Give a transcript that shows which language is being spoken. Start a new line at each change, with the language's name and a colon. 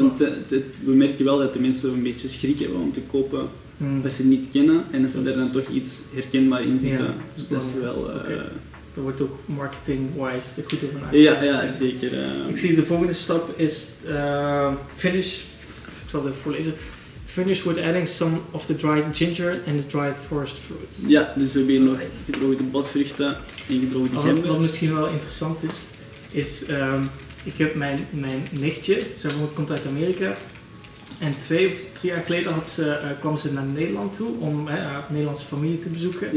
Dutch: Want we merken wel dat de mensen een beetje schrik hebben om te kopen wat ze niet kennen. En als ze er dan toch iets herkenbaar in zitten, dat is wel... Er wordt ook marketing-wise goed over nagedacht. Ja, zeker. Ik zie de volgende stap is finish. Ik zal het even voorlezen.
English: Finish with adding some of the dried ginger and the dried forest fruits.
Dutch: Ja, dus we hebben nog gedroogde bosvruchten en gedroogde gember. Wat misschien wel interessant is ik heb mijn nichtje, zij komt uit Amerika. En 2 of 3 jaar geleden kwam ze naar Nederland toe om haar Nederlandse familie te bezoeken.